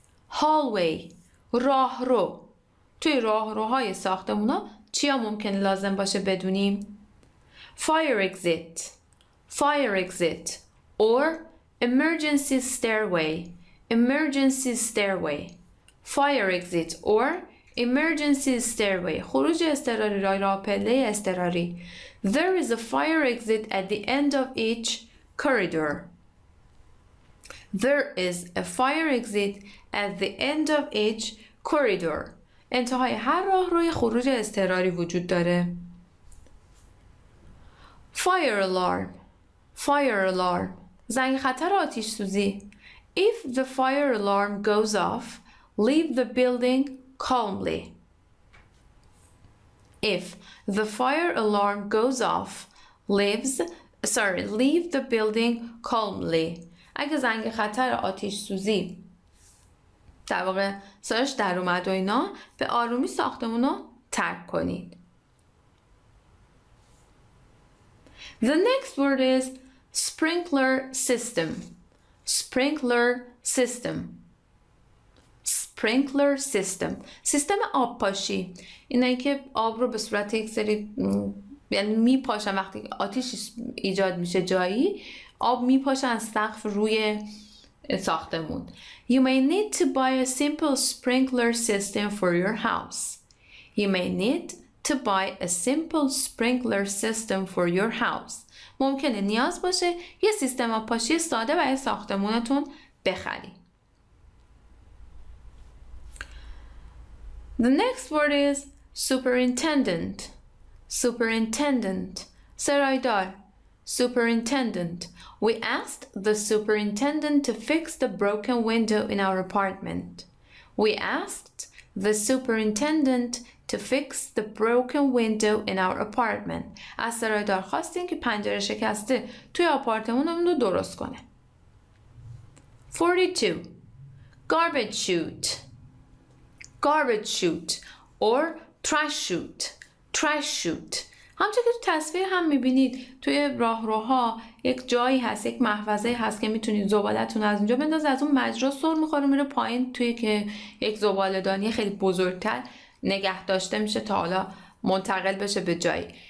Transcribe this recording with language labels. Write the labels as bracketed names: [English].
[Persian] هالوی، راه رو. توی راه روهای ساختمونا چیا ممکن لازم باشه بدونیم؟ [English] Fire exit. Fire exit. Or emergency stairway. Emergency stairway. Fire exit. Or emergency stairway. [Persian] خروج اضطراری، راه پله اضطراری. [English] There is a fire exit at the end of each corridor. There is a fire exit at the end of each corridor. [Persian] انتهای هر راه روی خروج اضطراری وجود داره. [English] Fire alarm. Fire alarm. [Persian] زنگ خطر آتش سوزی. [English] If the fire alarm goes off, leave the building calmly. If the fire alarm goes off, leave the building calmly. [Persian] اگه زنگ خطر آتش سوزی در واقع سرش در اومد و اینا، به آرومی ساختمون رو ترک کنید. [English] The next word is sprinkler system. Sprinkler system. Sprinkler system. [Persian] سیستم آب پاشی. اینه که آب رو به صورت یک سری می پاشن وقتی آتیش ایجاد میشه جایی. آب می پاشن سقف روی ساختمون. [English] You may need to buy a simple sprinkler system for your house. You may need to buy a simple sprinkler system for your house. [Persian] ممکنه نیاز باشه یه سیستم آب پاشی ساده برای ساختمونتون بخری. [English] The next word is superintendent. Superintendent. سرایدار. Superintendent. We asked the superintendent to fix the broken window in our apartment. We asked the superintendent to fix the broken window in our apartment. [Persian] از سرایدار خواستیم که پنجره شکسته توی آپارتمانمون رو درست کنه. [English] 42. Garbage chute. Garbage chute or trash chute. Trash chute. [Persian] همچه که تو تصویر هم میبینید توی راهروها یک جایی هست، یک محفظه هست که میتونید زبالتون از اینجا بندازه، از اون مجرا سر میخوره میره پایین توی که یک زبالدانی خیلی بزرگتر نگه داشته میشه تا حالا منتقل بشه به جایی.